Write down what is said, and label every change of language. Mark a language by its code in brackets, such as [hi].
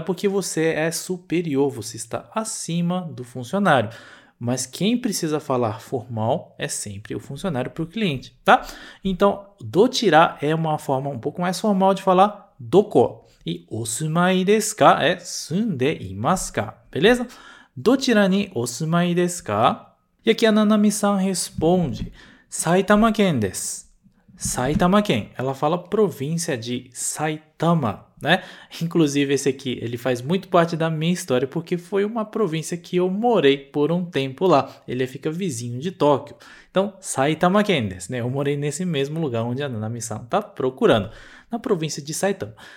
[pt] Porque você é superior, você está acima do funcionário. Mas quem precisa falar formal é sempre o funcionário para o cliente, tá? Então, do tirar é uma forma um pouco mais formal de falar do ko. E [ja] osumai desu ka [pt] é [ja] sunde imasu ka, [pt] beleza? [ja] どちらにお住まいですか? [pt] E aqui a Nanami-san responde, [ja] 埼玉県です。 [pt] 埼玉県, ela fala província de Saitama, né? Inclusive esse aqui, ele faz muito parte da minha história, porque foi uma província que eu morei por um tempo lá. Ele fica vizinho de Tóquio. Então, [ja] 埼玉県です, [pt] né? Eu morei nesse mesmo lugar onde a Nanami-san está procurando, na província de Saitama.